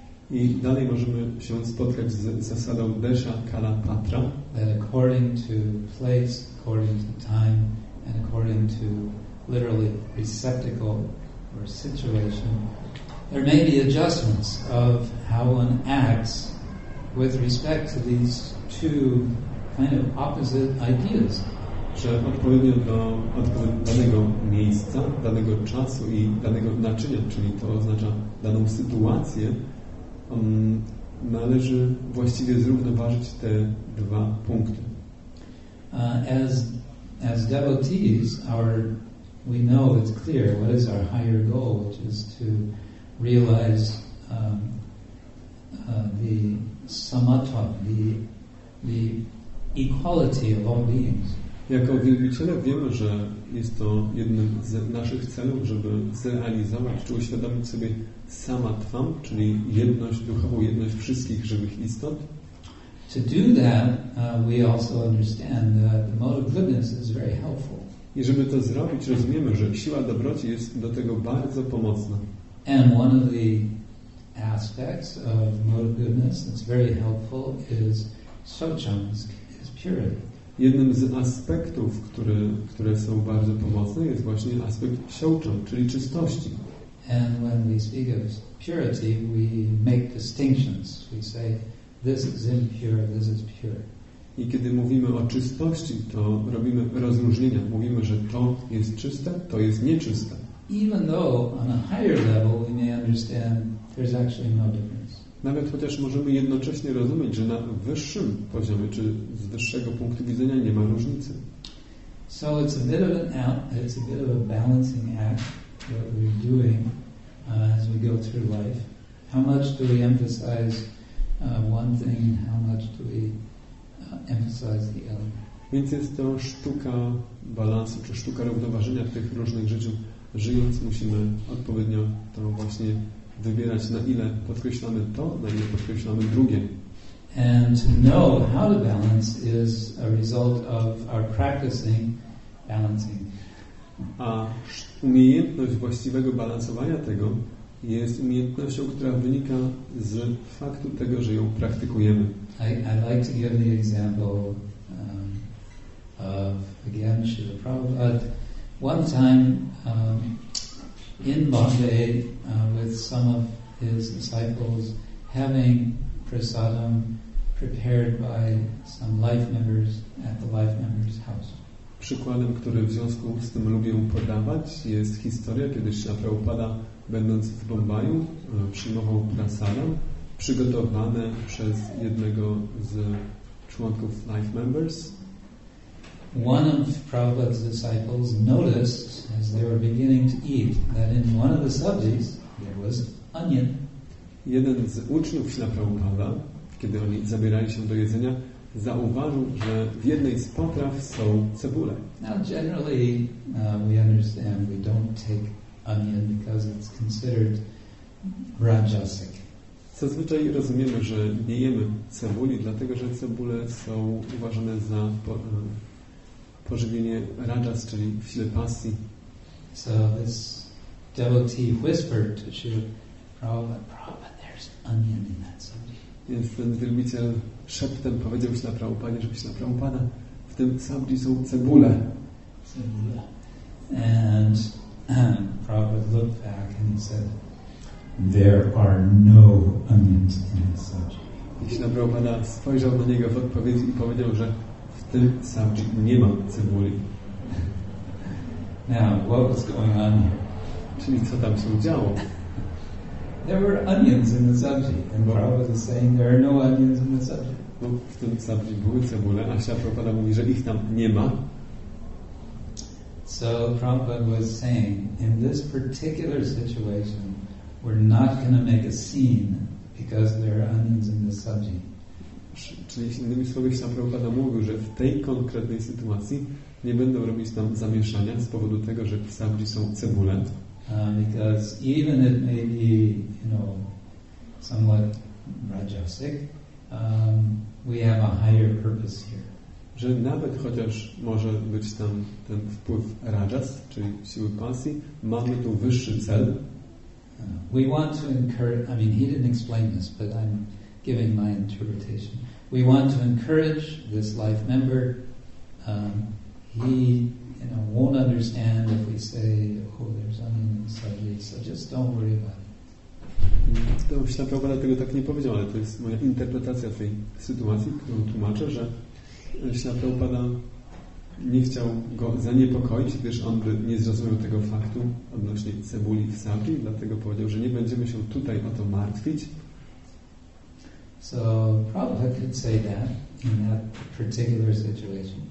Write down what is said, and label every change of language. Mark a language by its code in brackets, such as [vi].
[pl] I dalej możemy się spotkać z zasadą desha kalapatra. [en] That according to place, according to time, and according to literally receptacle or situation, there may be adjustments of how one acts with respect to these two kind of opposite ideas. [pl] Że odpowiednio do danego miejsca, danego czasu i danego naczynia, czyli to oznacza daną sytuację, należy właściwie zrównoważyć te dwa punkty. [en] As devotees, we know it's clear what is our higher goal, which is to realize the samatva, the equality of all beings. [pl] Jako wielbiciele wiemy, że jest to jednym z naszych celów, żeby zrealizować czy uświadomić sobie samatvam, czyli jedność duchową, jedność wszystkich żywych istot. [en] To do that, we also understand that the mode of goodness is very helpful. [pl] I żeby to zrobić, rozumiemy, że siła dobroci jest do tego bardzo pomocna. [en] And one of the aspects of mode of goodness that's very helpful is socham, is purity. [pl] Jednym z aspektów, które są bardzo pomocne, jest właśnie aspekt siocza, czyli czystości. [en] And when we speak of purity, we make distinctions. We say, this is impure, this is pure. [pl] I kiedy mówimy o czystości, to robimy rozróżnienia. Mówimy, że to jest czyste, to jest nieczyste. [en] Even though on a higher level we may understand there's actually no difference. [pl] Nawet chociaż możemy jednocześnie rozumieć, że na wyższym poziomie, czy z wyższego punktu widzenia nie ma różnicy. [en] So it's a bit of a balancing act that we're doing as we go through life. How much do we emphasize one thing and how much do we emphasize the other? [pl] Więc jest to sztuka balansu, czy sztuka równoważenia tych różnych rzeczy. Żyjąc, musimy odpowiednio to właśnie wybierać, na ile podkreślamy to, na ile podkreślamy drugie. [en] And to know how to balance is a result of our practicing balancing. [pl] A umiejętność właściwego balansowania tego jest umiejętnością, która wynika z faktu tego, że ją praktykujemy. [en] I'd like to give the example of, again, Srila Prabhupada. One time in Bombay with some of his disciples having prasadam prepared by some life members at the life member's house. [pl] Przykładem, który w związku z tym lubię podawać, jest historia, kiedy Śrila Prabhupada, będąc w Bombaju, przyjmował prasadam przygotowane przez jednego z członków [en] life members. One of Prabhupada's disciples noticed as they were beginning to eat that in one of the sabjis there was onion. [pl] Jeden z uczniów Śrila Prabhupada, kiedy oni zabierali się do jedzenia, zauważył, że w jednej z potraw są cebule. [en] Now generally we understand we don't take onion because it's considered rajasic. [pl] Zazwyczaj rozumiemy, że nie jemy cebuli, dlatego że cebule są uważane za pożywienie rajas, czyli w sile pasji. [en] So this devotee whispered to Śrila Prabhupada, there's onion in that sabji. [pl] Więc ten wielbiciel szeptem powiedział Śrila Prabhupada, żeby Śrila Prabhupada, w tym sabji są cebule. Cebule. [en] And Prabhupada looked back and he said, there are no onions in that sabji. [pl] I Śrila Prabhupada spojrzał na niego w odpowiedzi i powiedział, że w tym sabji nie ma cebuli. [en] Now, what was going on here? [pl] Czyli co tam się działo? [en] There were onions in the sabji, and Prabhupada is saying there are no onions in the sabji. [pl] No, w tym sabji były cebule, a Śrila Prabhupada mówi, że ich tam nie ma. [en] So Prabhupada was saying, in this particular situation, we're not going to make a scene because there are onions in the sabji. [pl] Czyli innymi słowy, Śrila Prabhupada mówił, że w tej konkretnej sytuacji nie będą robić tam zamieszania z powodu tego, że w sabji są cebule. [en] Because even it may be, you know, somewhat rajasic, we have a higher purpose here. [pl] Że nawet chociaż może być tam ten wpływ rajas, czyli siły pasji, mamy tu wyższy cel. [en] We want to encourage. I mean, he didn't explain this, but I'm giving my interpretation. We want to encourage this life member. He, you know, won't understand if we say, oh, there's onion in the sabji, so just don't worry about it. [pl] To Śrila Prabhupada tego tak nie powiedział, ale to jest moja interpretacja tej sytuacji, którą tłumaczę, że Śrila Prabhupada nie chciał go zaniepokoić, gdyż on by nie zrozumiał tego faktu odnośnie cebuli w sabji, dlatego powiedział, że nie będziemy się tutaj o to martwić. [en] So Prabhupada could say that in that particular situation.